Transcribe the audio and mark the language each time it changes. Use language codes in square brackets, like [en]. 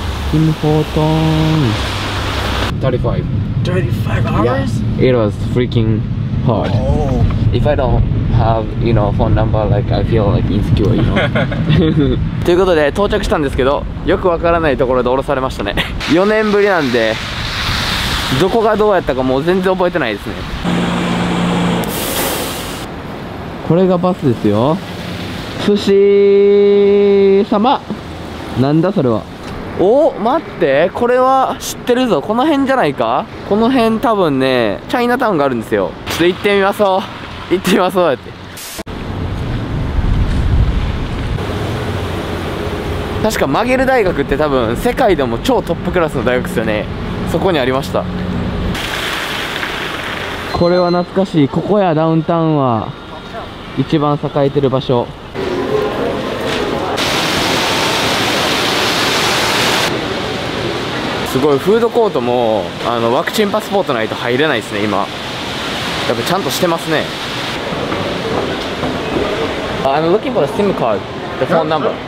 [en] Kim Ho-tong. 35 hours? Yeah. It was freaking hard. Oh. If I don't have, you know, phone number, like, I feel like insecure, you know? [ja] ということで到着したんですけど、よくわからないところで降ろされましたね。 4年ぶりなんで、どこがどうやったかもう全然覚えてないですね。これがバスですよ。寿司様、なんだそれは。お、待って、これは知ってるぞ。この辺じゃないか。この辺多分ね、チャイナタウンがあるんですよ。ちょっと行ってみましょう。行ってみましょう。だって確かマギル大学って多分世界でも超トップクラスの大学ですよね。そこにありました。これは懐かしい。ここや、ダウンタウンは一番栄えてる場所。すごい、フードコートもあのワクチンパスポートないと入れないですね、今。やっぱちゃんとしてますね。 [en] I'm looking for the SIM card, the phone number.